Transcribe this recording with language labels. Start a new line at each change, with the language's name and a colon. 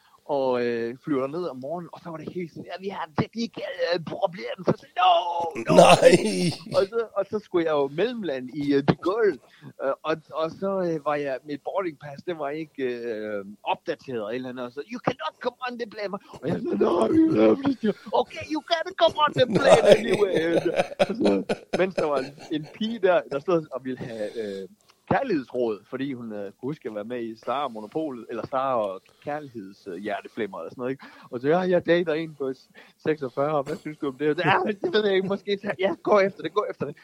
Danish: Og flyver der ned om morgenen, og så var det helt sådan, ja, vi har det virkelig problem. Så sagde no, no. Nej. Og så skulle jeg jo mellemland i de gulv, og så var jeg, mit boardingpass, det var ikke opdateret eller andet, og så,
English: you cannot come on the plane.
Danish: Og jeg sagde, nej, okay,
English: you can come on the plane anyway.
Danish: Så, mens der var en pige der, der stod og ville have kærlighedsråd, fordi hun kunne huske at være med i Star Monopolet, eller Star og Kærligheds Hjerteflimmer, eller sådan noget, ikke? Og så, ja, jeg dater en på 46, og hvad synes du om det? Ja, det ved jeg ikke, måske, ja, gå efter det.